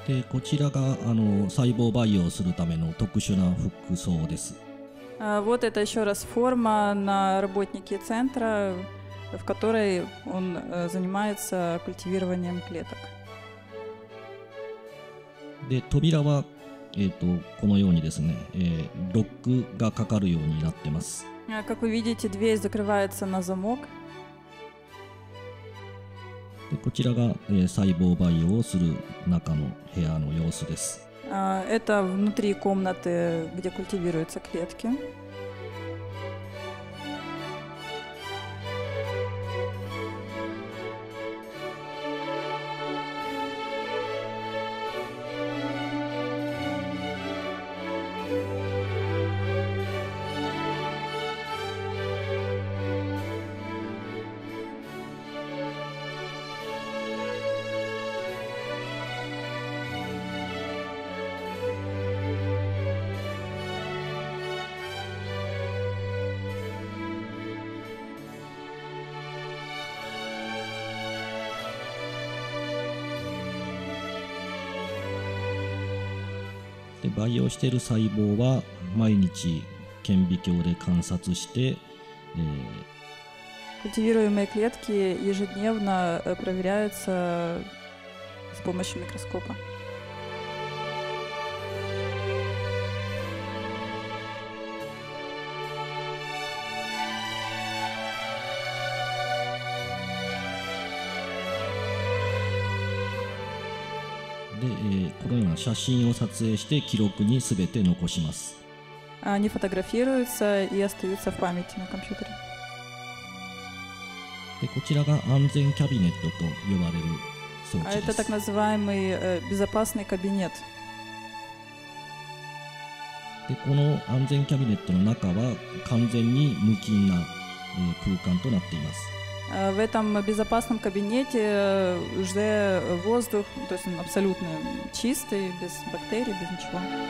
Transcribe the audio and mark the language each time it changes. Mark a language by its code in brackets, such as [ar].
[ja] こちらがあの細胞培養するための特殊な服装です。 [ru] Вот это еще раз форма на работнике центра, в которой он занимается культивированием клеток. [ja] で、扉は、このようにですね、ロックがかかるようになってます。 [ru] Как вы видите, дверь закрывается на замок. [ja] こちらが、細胞培養をする中の部屋の様子です。 [ru] Это внутри комнаты, где культивируются клетки. [ja] で培養している細胞は毎日顕微鏡で観察して、 [ru] культивируемые клетки ежедневно проверяются с помощью микроскопа。 [ja] で、このような写真を撮影して記録にすべて残します。 [ru] Они фотографируются и остаются в памяти на компьютере。 [ja] でこちらが安全キャビネットと呼ばれる装置です。 [ru] Это так называемый безопасный кабинет。 [ja] でこの安全キャビネットの中は完全に無菌な空間となっています。 [ru] В этом безопасном кабинете уже воздух, то есть он абсолютно чистый, без бактерий, без ничего.